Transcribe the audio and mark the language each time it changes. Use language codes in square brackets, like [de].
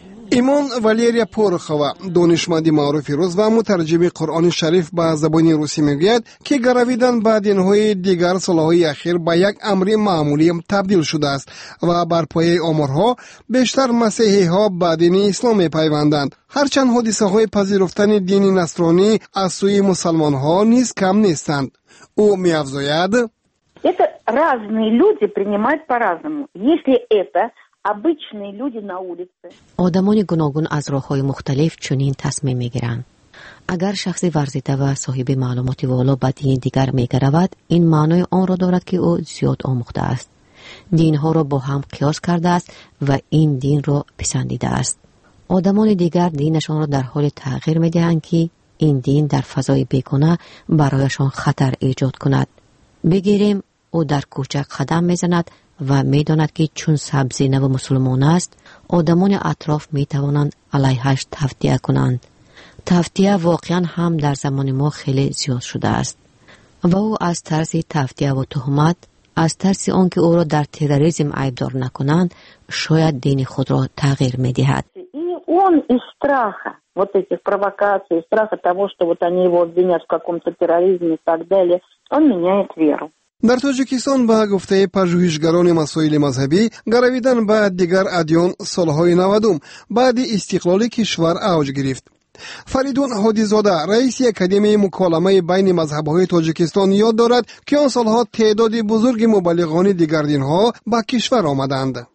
[fa] ایمان والیریا پورخوا، دانشمند معروف روس و مترجم قرآن شریف به زبان روسی، میگوید که گرویدن به دینهای دیگر سالهای اخیر به یک امر معمولی تبدیل شده است و بر پایه آمارها بیشتر مسیحی ها به دین اسلام پیوندند، هرچند حادثه های پذیرفتن دین نصرانی از سوی مسلمان ها نیز کم نیستند. او می افزاید: [ru] Это разные люди принимают по-разному. Если это обычные люди на улице. [tg] Одамони гуногун аз роҳҳои мухталиф чунин тасмим мегиранд. Агар шахси варзида ва соҳиби маълумоти воло ба дини дигар мегаравад, ин маънои онро дорад ки ӯ зиёд омӯхтааст. Динҳоро бо ҳам қиёс кардааст ва ин динро писандидааст. Одамони дигар динашонро дар ҳоли тағйир медиҳанд ки ин дин дар фазои бекуна барояшон хатар эҷод кунад. Бигирем, ӯ дар кӯча қадам мезанад ва медонад ки чун сабзи наву мусулмон аст, одамони атроф метавонанд алайҳаш тавтия кунанд. Тавтия воқеан ҳам дар замони мо хеле зиёд шудааст. Ва ӯ аз тарзи тавтия ва туҳмат, аз тарси он ки ӯро дар терроризм айбдор накунанд, шояд дини худро тағйир медиҳад. [ru] Он из страха вот этих провокаций, страха того, что вот они его обвинят в каком-то терроризме и так далее, он меняет веру. [tg] Дар Тоҷикистон, ба гуфтаи пажӯҳишгарони масоили мазҳабӣ, гаравидан ба дигар адён солҳои 90-ум баъди истиқлоли кишвар авҷ гирифт. Фаридун Ҳодизода, раиси Академияи муколамаи байни мазҳабҳои Тоҷикистон, ёд дорад, ки он солҳо теъдоди бузурги мубаллиғони дигар динҳо ба кишвар омаданд.